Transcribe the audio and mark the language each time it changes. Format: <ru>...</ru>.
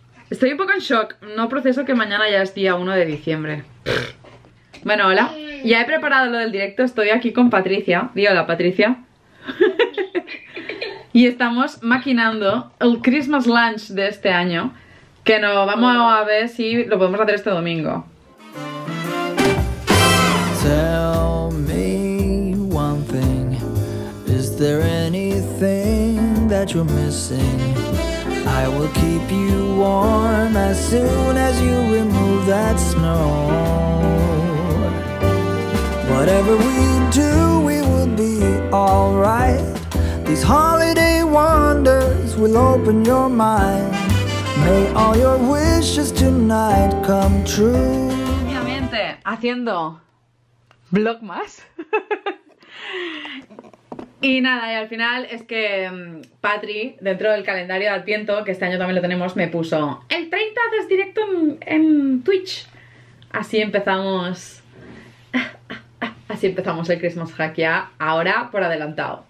<es>Estoy un poco en shock. No proceso que mañana ya es día 1 de diciembre. Bueno, hola. Ya he preparado lo del directo. Estoy aquí con Patricia. Di hola, Patricia. Y estamos maquinando el Christmas lunch de este año, que no vamos a ver si lo podemos hacer este domingo.</es> <en>Tell me one thing, is there anything that you're missing? I will keep you warm as soon as you remove that snow. Whatever we do, we will be all right. These holiday wonders will open your mind. May all your wishes tonight come true.</en> <es>Obviamente, haciendo vlog más. Y nada, y al final es que Patri, dentro del calendario de Adviento, que este año también lo tenemos, me puso el 30 haces directo en Twitch. Así empezamos. Así empezamos el Christmas Hack ya, ahora por adelantado.</es>